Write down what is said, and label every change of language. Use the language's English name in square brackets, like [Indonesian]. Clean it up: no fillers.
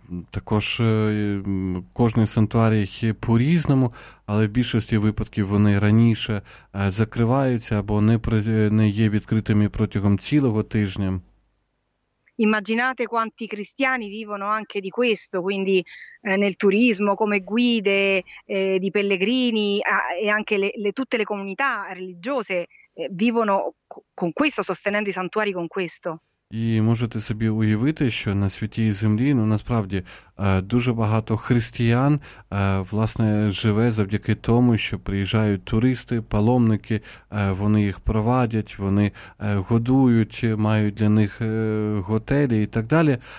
[Ukrainian] Також кожний сантуарій є по-різному, але в більшості випадків вони раніше закриваються або не є відкритими протягом цілого тижня. [Italian] Immaginate quanti cristiani vivono anche di questo, quindi nel turismo, come guide di pellegrini e anche tutte le comunità religiose vivono con questo, sostenendo i santuari con questo. [Ukrainian] І можете собі уявити, що на святій землі, насправді, дуже багато християн, власне, живе завдяки тому, що приїжджають туристи, паломники, вони їх провадять, вони годують, мають для них готелі і так далі.